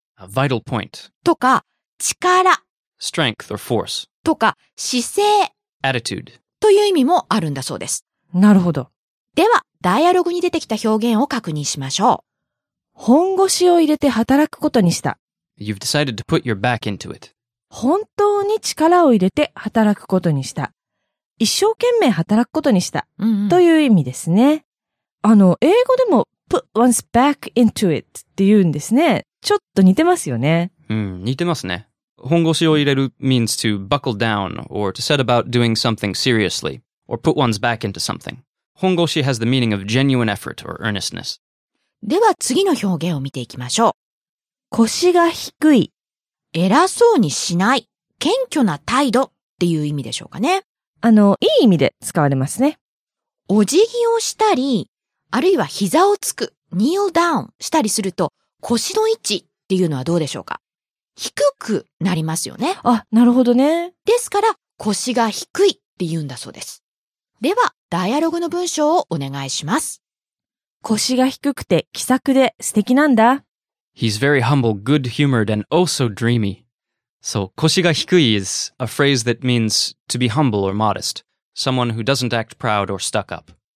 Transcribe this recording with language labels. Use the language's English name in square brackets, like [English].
[English] vital point [Japanese] とか力、 [English] strength or force [Japanese] とか姿勢、 [English] attitude [Japanese] という意味もあるんだそうです。なるほど。ではダイアログに出てきた表現を確認しましょう。本腰を入れて働くことにした。 [English] You've decided to put your back into it. [Japanese] 本当に力を入れて働くことにした。一生懸命働くことにした。うんうん、という意味ですね。あの、英語でも [English] put one's back into it [Japanese] って言うんですね。ちょっと似てますよね。うん、似てますね。本腰を入れる [English] means to buckle down or to set about doing something seriously or put one's back into something. 本腰 has the meaning of genuine effort or earnestness. [Japanese] では次の表現を見ていきましょう。腰が低い。偉そうにしない。謙虚な態度っていう意味でしょうかね。あの、いい意味で使われますね。お辞儀をしたり、あるいは膝をつく、 [English] kneel down [Japanese] したりすると、腰の位置っていうのはどうでしょうか。低くなりますよね。あ、なるほどね。ですから、腰が低いって言うんだそうです。では、ダイアログの文章をお願いします。腰が低くて気さくで素敵なんだ。 [English] He's very humble, good-humored, and oh so dreamy. So, 腰が低い is a phrase that means to be humble or modest. Someone who doesn't act proud or stuck up.